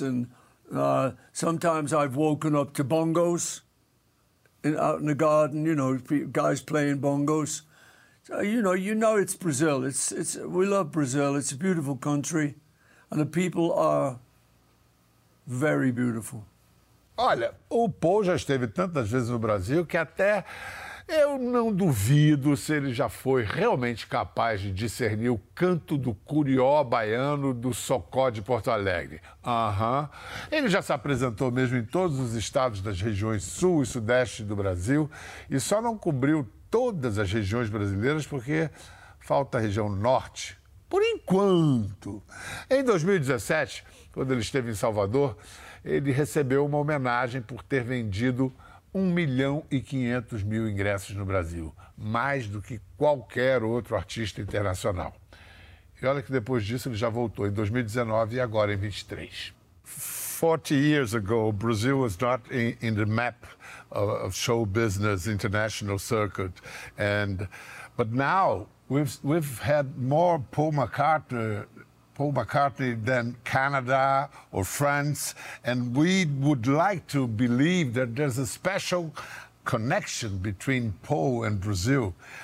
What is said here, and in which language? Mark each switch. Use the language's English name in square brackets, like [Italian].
[English] And sometimes I've woken up to bongos out in the garden, you know, guys playing bongos. So, you know it's Brazil. We love Brazil. It's a beautiful country. And the people are very beautiful. [Portuguese] Olha, o Paul já esteve tantas vezes no Brasil que até eu não duvido se ele já foi realmente capaz de discernir o canto do curió baiano do socó de Porto Alegre. Aham. Ele já se apresentou mesmo em todos os estados das regiões sul e sudeste do Brasil e só não cobriu todas as regiões brasileiras porque falta a região norte. Por enquanto. Em 2017, quando ele esteve em Salvador, ele recebeu uma homenagem por ter vendido 1.500.000 ingressos no Brasil, mais do que qualquer outro artista internacional. E olha que depois disso ele já voltou em 2019 e agora em 23. [English] 40 years ago, Brazil was not in the map of show business international circuit, but now we've had more Paul McCartney than Canada or France, and we would like to believe that there's a special connection between Paul and Brazil.